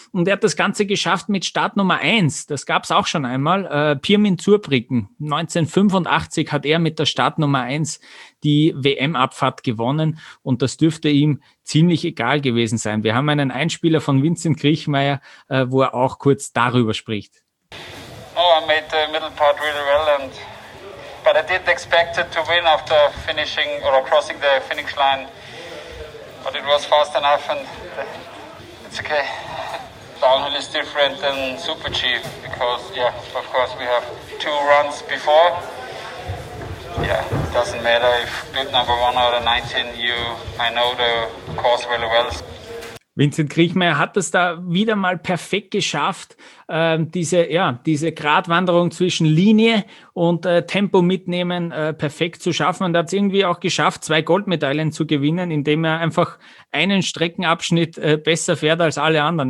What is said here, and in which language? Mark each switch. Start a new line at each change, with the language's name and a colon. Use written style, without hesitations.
German: Und er hat das Ganze geschafft mit Startnummer 1. Das gab es auch schon einmal. Pirmin Zurbriggen. 1985 hat er mit der Startnummer 1 die WM-Abfahrt gewonnen. Und das dürfte ihm ziemlich egal gewesen sein. Wir haben einen Einspieler von Vincent Kriechmeier, wo er auch kurz darüber spricht.
English: Oh, I made the middle part really well and but I did expect it to win after finishing or crossing the finish line. But it was fast enough and it's okay. Downhill is different than Super G because, of course, we have two runs before. Yeah, it doesn't matter if good number one or 19, I know the course really well.
German: Vincent Kriechmeier hat es da wieder mal perfekt geschafft, diese Gratwanderung zwischen Linie und Tempo mitnehmen perfekt zu schaffen. Und er hat es irgendwie auch geschafft, zwei Goldmedaillen zu gewinnen, indem er einfach einen Streckenabschnitt besser fährt als alle anderen.